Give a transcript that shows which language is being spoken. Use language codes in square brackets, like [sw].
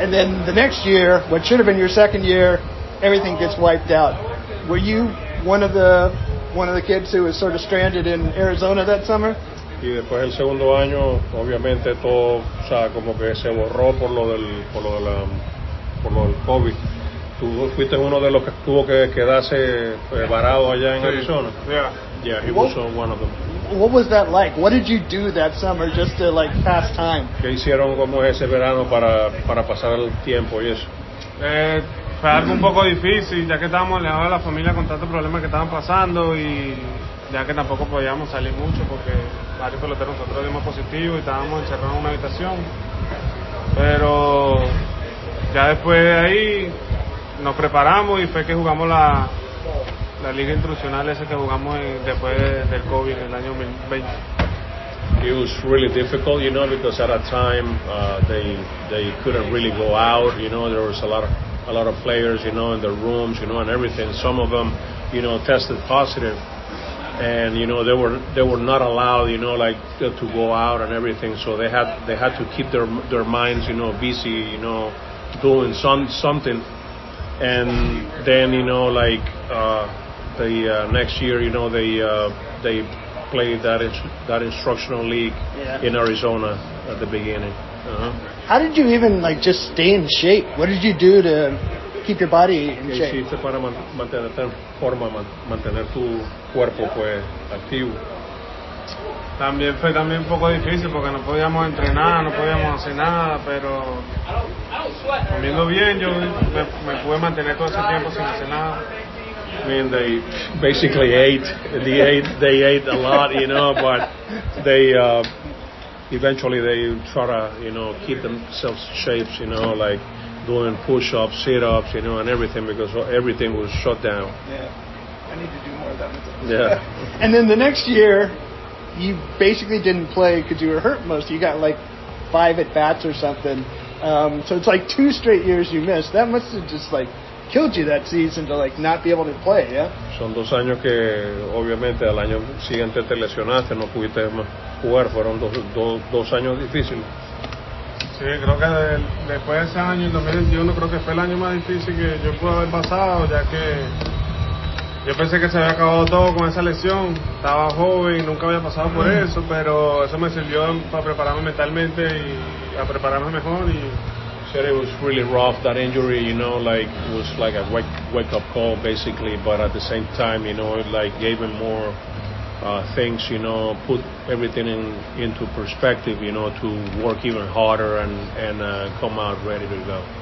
[en] And then the next year, what should have been your second year, everything gets wiped out. Were you one of the kids who was sort of stranded in Arizona that summer? [es] Y después el segundo año, obviamente todo, como que se borró por lo del COVID. Tú fuiste uno de los que tuvo que quedarse varado allá en Arizona. [en] Yeah, he was one of them. What was that like? What did you do that summer just to like pass time? [es] ¿Qué hicieron como ese verano para pasar el tiempo y eso? Fue algo un poco difícil, ya que estábamos alejados de la familia con tantos problemas que estaban pasando y ya que tampoco podíamos salir mucho porque varios peloteros nosotros dimos positivo y estábamos encerrados en una habitación. Pero ya después de ahí nos preparamos y fue que jugamos la liga instruccional esa que jugamos después del COVID en el año 2020. [en] It was really difficult, because at that time they couldn't really go out, there was a lot of players, in their rooms, and everything. Some of them, tested positive. And they were not allowed to go out and everything, so they had to keep their minds busy doing something. And then next year they played that instructional league in Arizona at the beginning. How did you even just stay in shape? What did you do to keep your body in shape? [es] ¿Qué hiciste para mantenerte en forma, mantener tu cuerpo activo? También fue también un poco difícil porque no podíamos entrenar, no podíamos hacer nada, pero comiendo bien yo me pude mantener todo ese tiempo sin hacer nada. [en] I mean, they basically ate a lot, but they eventually they try to, you know, keep themselves shapes, you know, like doing push-ups, sit-ups, you know, and everything, because everything was shut down. Yeah. I need to do more of that myself. Yeah. And then the next year, you basically didn't play because you were hurt most. You got, like, 5 at-bats or something. So it's like 2 straight years you missed. That must have just, like, killed you that season to, like, not be able to play, yeah? [es] Son 2 años que, obviamente, al año siguiente te lesionaste, no pudiste más jugar. Fueron 2 años difíciles. Sí, creo que después de ese año, en 2021, creo que fue el año más difícil que yo pude haber pasado, ya que yo pensé que se había acabado todo con esa lesión. Estaba joven, nunca había pasado por eso, pero eso me sirvió para prepararme mentalmente y a prepararme mejor. Y [en] said it was really rough, that injury, you know, like, was like a wake-up call, basically, but at the same time, you know, it, like, gave him more things, you know, put everything into perspective, you know, to work even harder and come out ready to go.